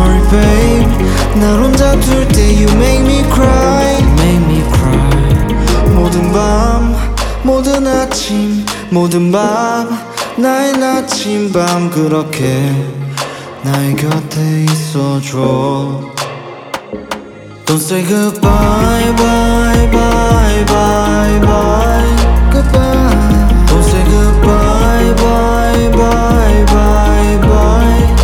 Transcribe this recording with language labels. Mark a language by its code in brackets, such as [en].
[en] Babe, [ko] 날 혼자 둘 때 [en] you make me cry, make me cry. [ko] 모든 밤, 모든 아침, 모든 밤, 나의 아침 밤 그렇게 나의 곁에 있어줘. [en] Don't say goodbye, bye, bye, bye, bye. Goodbye. Don't say goodbye, bye, bye, bye, bye.